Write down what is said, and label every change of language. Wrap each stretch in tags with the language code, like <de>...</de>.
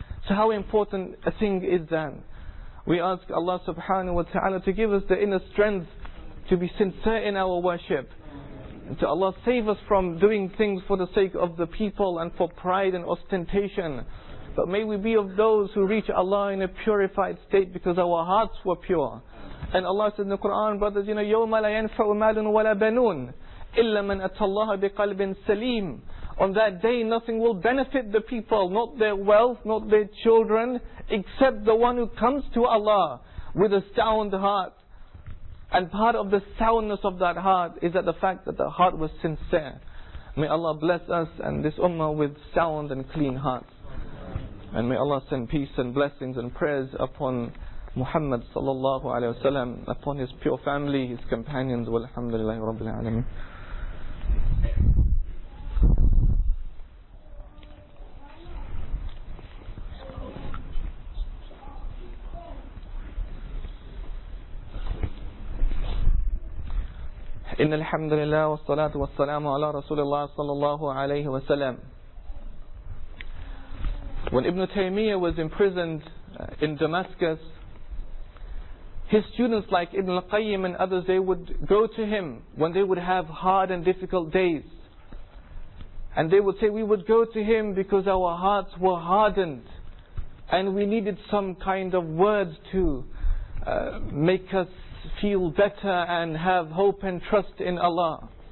<en>So how important a thing is then? We ask Allah subhanahu wa ta'ala to give us the inner strength to be sincere in our worship. And to Allah save us from doing things for the sake of the people and for pride and ostentation. But may we be of those who reach Allah in a purified state because our hearts were pure. And Allah said in the Quran, brothers, you know,</en> <ar>يَوْمَ لَا يَنْفَعُ مَالٌ وَلَا بَنُونَ إِلَّا مَنْ أَتَى اللَّهَ بِقَلْبٍ سَلِيمٍ.</ar> <en>On that day nothing will benefit the people, not their wealth, not their children, except the one who comes to Allah with a sound heart. And part of the soundness of that heart is that the fact that the heart was sincere. May Allah bless us and this ummah with sound and clean hearts. And may Allah send peace and blessings and prayers upon Muhammad sallallahu alayhi wa sallam, upon his pure family, his companions.</en> <ar>Walhamdulillahi rabbil alameen. إن الحمد لله والصلاة والسلام على رسول الله صلى الله عليه وسلم.</ar> <en>When Ibn Taymiyyah was imprisoned in Damascus, his students like Ibn al-Qayyim and others, they would go to him when they would have hard and difficult days. And they would say, we would go to him because our hearts were hardened and we needed some kind of words to make us feel better and have hope and trust in Allah.</en>